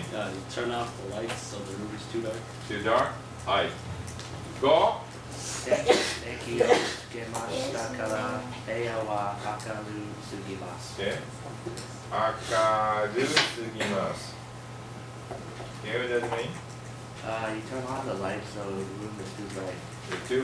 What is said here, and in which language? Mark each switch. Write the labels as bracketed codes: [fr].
[en] You turn off the lights so the room is too dark. Too dark? [ja] はい。 [en] 5? [ja] つけましたから、部屋は明るすぎます。明るすぎます。 [en] Okay, what does it mean? You turn off the lights so the room is too bright.